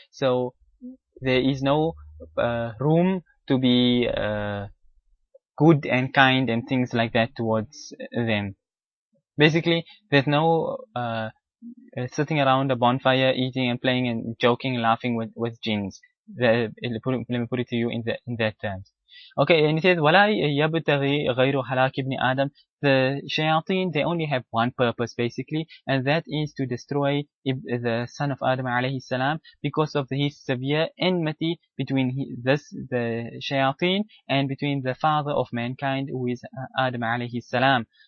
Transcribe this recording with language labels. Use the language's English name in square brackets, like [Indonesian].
[English] So there is no room to be good and kind and things like that towards them. Basically, there's no sitting around a bonfire, eating and playing and joking, laughing with jinns. Let me put it to you in that terms. Okay, and it says, [Arabic] وَلَا يَبْتَغِي غَيْرُ حَلَاكِ ابْنِ آدَمَ. [English] The shayateen, they only have one purpose, basically, and that is to destroy the son of Adam, alayhi salam, because of his severe enmity between the shayateen and between the father of mankind, who is Adam, alayhi salam.